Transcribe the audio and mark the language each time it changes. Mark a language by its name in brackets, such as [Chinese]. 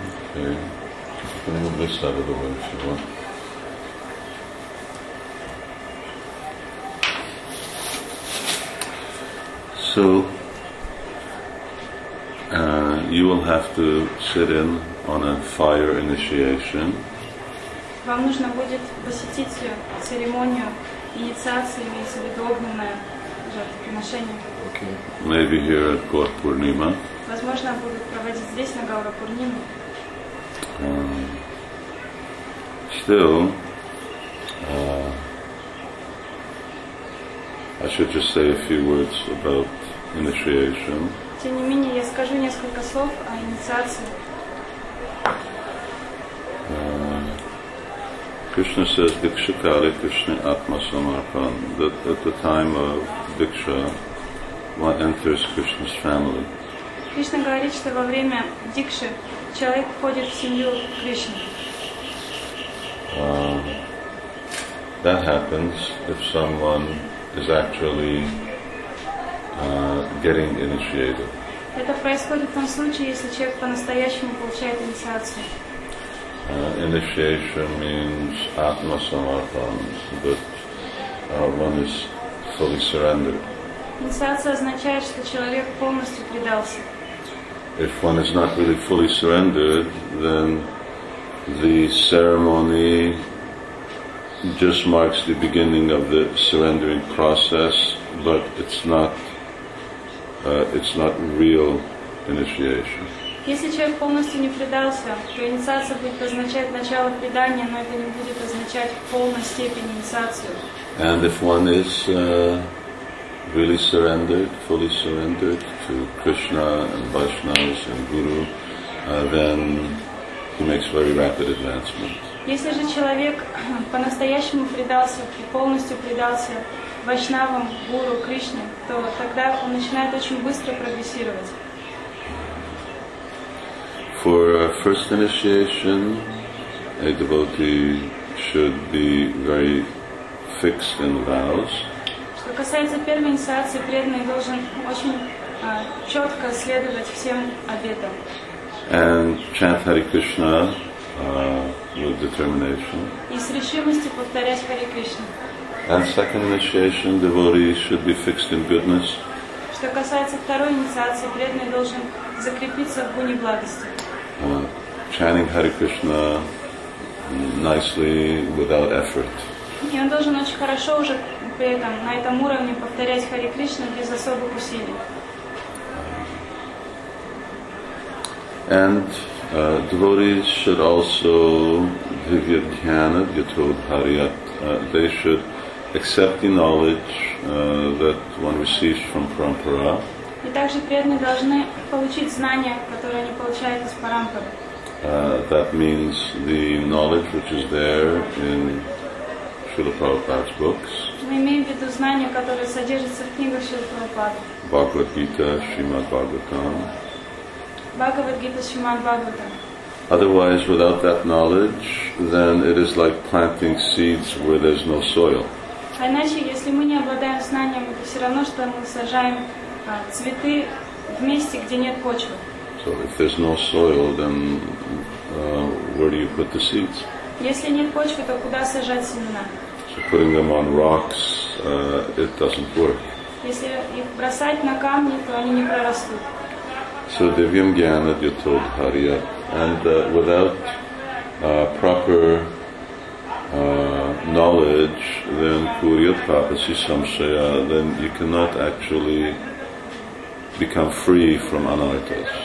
[English] Okay. You can move this out of the way if you want. So, you will have to sit in on a fire initiation. [Russian] Вам нужно будет посетить церемонию инициации, имеется в виду огненное жертвоприношение. [English] Okay. Maybe here at Gaur Purnima. [Russian] Возможно, будут проводить здесь, на Гаура Пурниму. [English] Still, I should just say a few words about initiation. [Russian] Тем не менее, я скажу несколько слов о инициации. [English] Krishna says, [Sanskrit] Diksha Kali Krishna Atma Samarpan, [English] that at the time of Diksha, one enters Krishna's family. [Russian] Krishna говорит, что во время Дикши человек входит в семью Кришны. [English] That happens if someone is actually getting initiated. [Russian] Это происходит в том случае, если человек по-настоящему получает инициацию. [English] Initiation means atma samarpan, that one is fully surrendered. [Russian] Инициация означает, что человек полностью предался. [English] If one is not really fully surrendered, then the ceremony just marks the beginning of the surrendering process, but it's not real initiation. [Russian] Если человек полностью не предался, то инициация будет означать начало предания, но это не будет означать полную степень инициации. [English] And if one is really surrendered, fully surrendered to Krishna and Vaishnavas and Guru, then he makes very rapid advancement. [Russian] Если же человек по-настоящему предался и полностью предался Вайшнавам, Гуру, Кришне, то тогда он начинает очень быстро прогрессировать. [English] For first initiation, a devotee should be very fixed in vows. [Russian] Что касается первой инициации, преданный должен очень четко следовать всем обетам. [English] And chant Hare Krishna with determination. [Russian] И с решимостью повторять Hare Krishna. [English] And second initiation, devotee should be fixed in goodness. [Russian] Что касается второй инициации, преданный должен закрепиться в гуне благости. [English] Chanting Hare Krishna nicely without effort. [Russian] И он должен очень хорошо уже при этом на этом уровне повторять Hare Krishna без особых усилий. [English] And devotees should also [Sanskrit] dhivya dhyana yatod hariyat. [English] They should accept the knowledge that one receives from parampara. [Russian] И также преданные должны получить знания, которые они получают из парампары. [English] That means the knowledge which is there in Śrīla Prabhupāda's books. [Russian] Мы имеем в виду знания, которые содержатся в книгах Śrīla Prabhupāda. Бхагавад-гита, Śrīmad-Bhāgavatam. Бхагавад-гита, Śrīmad-Bhāgavatam. [English] Otherwise, without that knowledge, then it is like planting seeds where there's no soil. [Russian] А иначе, если мы не обладаем знанием, это все равно, что мы сажаем цветы в месте, где нет почвы. [English] So if there's no soil, then where do you put the seeds? [Russian] Если нет почвы, то куда сажать семена? [English] So putting them on rocks, it doesn't work. [Russian] Если их бросать на камни, то они не прорастут. [English] So [Sanskrit] devyam jnana yatod hariyat. [English] And without proper knowledge, then [Sanskrit] kuryat prapasi samshaya, [English] then you cannot actually become free from anartas.